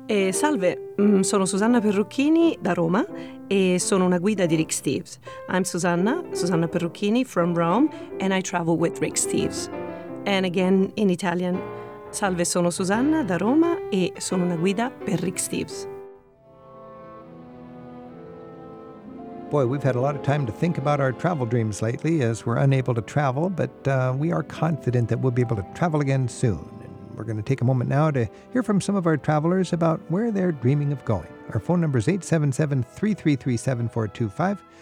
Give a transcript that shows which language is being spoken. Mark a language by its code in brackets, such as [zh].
[it] Salve, sono Susanna Perrucchini da Roma e sono una guida di Rick Steves. [en] I'm Susanna Perrucchini from Rome and I travel with Rick Steves. And again in Italian. [it] Salve, sono Susanna da Roma e sono una guida per Rick Steves. [en] Boy, we've had a lot of time to think about our travel dreams lately as we're unable to travel, but we are confident that we'll be able to travel again soon. We're going to take a moment now to hear from some of our travelers about where they're dreaming of going. Our phone number is 877-333-7425.